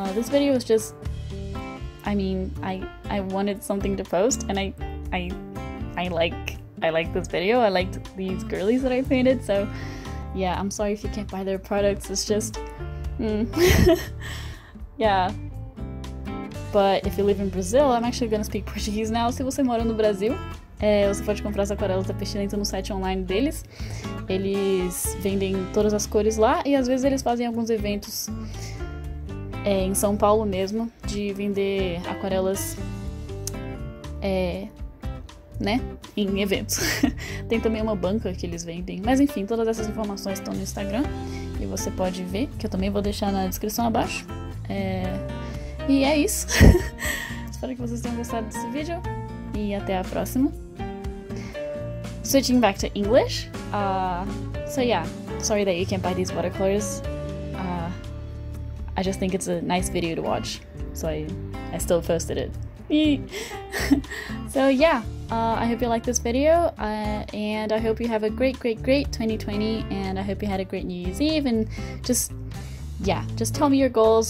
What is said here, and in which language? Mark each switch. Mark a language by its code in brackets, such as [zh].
[en] This video is just, I mean, I wanted something to post, and I like this video. I liked these girlies that I painted, so yeah, I'm sorry if you can't buy their products. It's just yeah. But if you live in Brazil, I'm actually gonna speak Portuguese now. [pt] Se você mora no Brasil, você pode comprar as aquarelas da Pestilento no site online deles. Eles vendem todas as cores lá, e às vezes eles fazem alguns eventos em São Paulo mesmo, de vender aquarelas, né, em eventos. Tem também uma banca que eles vendem. Mas enfim, todas essas informações estão no Instagram, e você pode ver, que eu também vou deixar na descrição abaixo. E é isso. Espero que vocês tenham gostado desse vídeo, e até a próxima. [en] Switching back to English. So yeah, sorry that you can't buy these watercolors. I just think it's a nice video to watch, so I still posted it. So yeah, I hope you liked this video, and I hope you have a great, great, great 2020, and I hope you had a great New Year's Eve, and just, yeah, just tell me your goals.